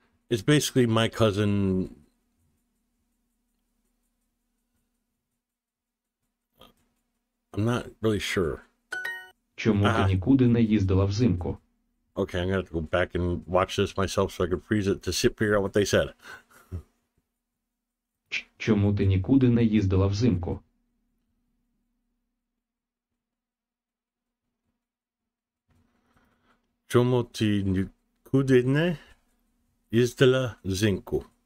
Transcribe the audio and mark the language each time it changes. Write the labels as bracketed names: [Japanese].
[English] It's basically my cousin. I'm not really sure. [Ukrainian] Чому ти нікуди не їздила взимку? [English] Okay, I'm gonna have to go back and watch this myself so I can freeze it to see, figure out what they said. [Ukrainian] Чому ти нікуди не їздила взимку? Чому ти нікуди не їздила взимку?